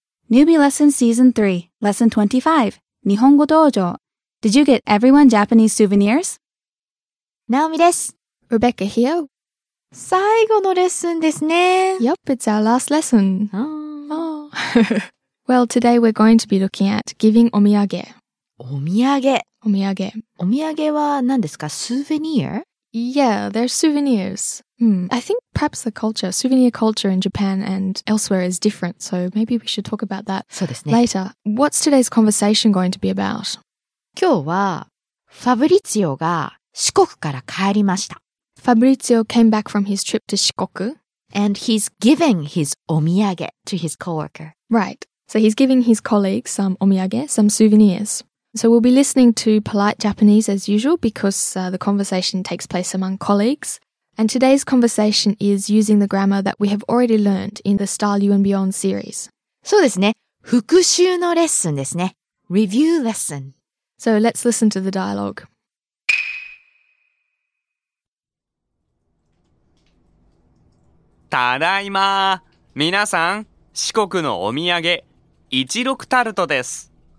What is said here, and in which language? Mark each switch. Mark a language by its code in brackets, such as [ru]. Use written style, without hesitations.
[en] Newbie Lesson Season 3, Lesson 25, [ja] 日本語道場。 [en] Did you get everyone Japanese souvenirs? [ja] ナオミです。 [en] Rebecca here. [ja] 最後のレッスンですね。 [en] Yup, it's our last lesson. Oh. Well, today we're going to be looking at giving omiyage. Omiyage. Omiyage. [ja] Omiyage は何ですか?Souvenir? [en] Yeah, they're souvenirs. I think perhaps the culture, souvenir culture in Japan and elsewhere is different, so maybe we should talk about that later. What's today's conversation going to be about? [ja] 今日は、ファブリツィオが四国から帰りました。 [en] Fabrizio came back from his trip to Shikoku. And he's giving his omiyage to his coworker. Right. So he's giving his colleagues some omiyage, some souvenirs. So we'll be listening to polite Japanese as usual because, the conversation takes place among colleagues. And today's conversation is using the grammar that we have already learned in the Style You and Beyond series. [ja] そうですね。復習のレッスンですね。 [en] Review lesson. So let's listen to the dialogue. [ja] ただいま。みなさん、四国のお土産、一六タルトです。